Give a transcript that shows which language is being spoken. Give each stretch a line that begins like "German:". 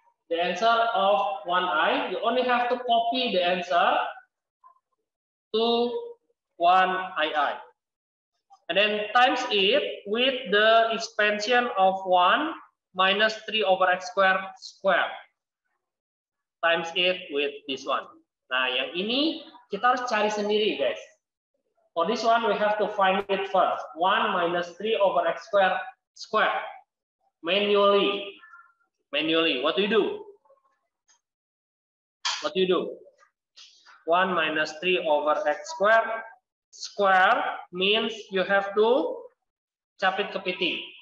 English: The answer of 1i, you only have to copy the answer. 2, 1ii. And then times it with the expansion of 1 minus 3 over x squared squared. Times it with this one.
Indonesian: Nah, yang ini kita harus cari sendiri, guys.
English: For this one, we have to find it first. 1 minus 3 over x squared squared. Manually. Manually. What do you do? What do you do? 1 minus 3 over x squared. Square means you have to capit kepiting.